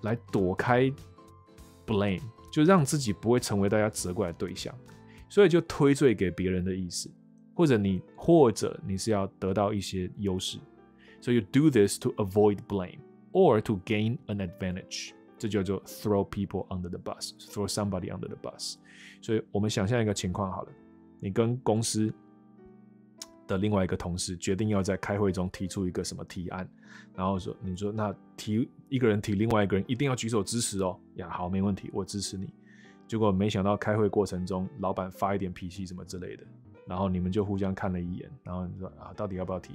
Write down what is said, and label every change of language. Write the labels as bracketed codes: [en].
[zh] 躲开 blame， 就让自己不会成为大家责怪的对象，所以就推罪给别人的意思，或者你是要得到一些优势。 [en] So you do this to avoid blame or to gain an advantage. [zh] 这叫做 [en] throw people under the bus, throw somebody under the bus. [zh] 所以我们想象一个情况好了，你跟公司的另外一个同事决定要在开会中提出一个什么提案，然后说你说那提一个人提另外一个人一定要举手支持哦，呀好没问题我支持你，结果没想到开会过程中老板发一点脾气什么之类的，然后你们就互相看了一眼，然后你说啊，到底要不要提？